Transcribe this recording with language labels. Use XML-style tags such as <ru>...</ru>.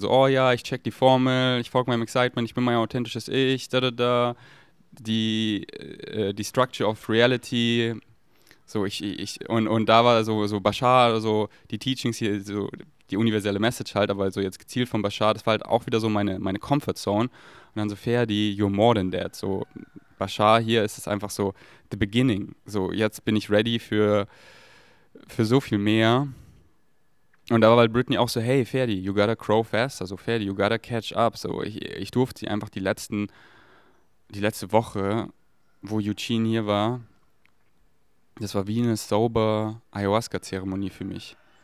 <de>So, oh ja, ich check die Formel, ich folge meinem Excitement, ich bin mein authentisches Ich, da. Die</de> <en>Structure of Reality,</en> <de>so und da war so Bashar, so die Teachings hier, so die universelle Message halt, aber so jetzt gezielt von Bashar, das war halt auch wieder so meine Comfort Zone. Und dann so Ferdi,</de> <en>you're more than that.</en> <de>So Bashar hier ist es einfach so</de> <en>the beginning.</en> <de>So jetzt bin ich ready für so viel mehr. Und da war halt Britney auch so,</de> <en>hey Ferdi, you gotta grow faster, so Ferdi, you gotta catch up.</en> <de>So ich durfte sie einfach die letzte Woche, wo Eugene hier war, das war wie eine sober Ayahuasca-Zeremonie für mich.</de>